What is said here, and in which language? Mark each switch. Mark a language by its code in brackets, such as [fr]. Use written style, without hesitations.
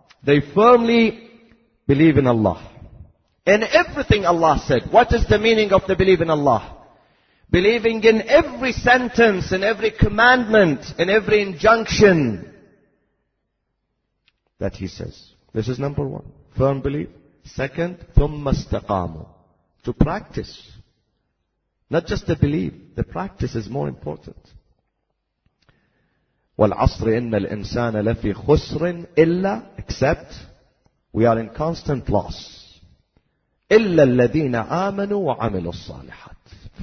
[en] They firmly believe in Allah. In everything Allah said. What is the meaning of the believe in Allah? Believing in every sentence, in every commandment, in every injunction that he says. This is number one. Firm belief. [ar] Second, ثُمَّ اسْتَقَامُوا. [en] To practice. Not just the belief. The practice is more important. [ar] وَالْعَصْرِ إِنَّ الْإِنسَانَ لَفِي خُسْرٍ إِلَّا. [en] Except, we are in constant loss. [ar] إِلَّا الَّذِينَ آمَنُوا وَعَمِلُوا الصَّالِحَاتِ.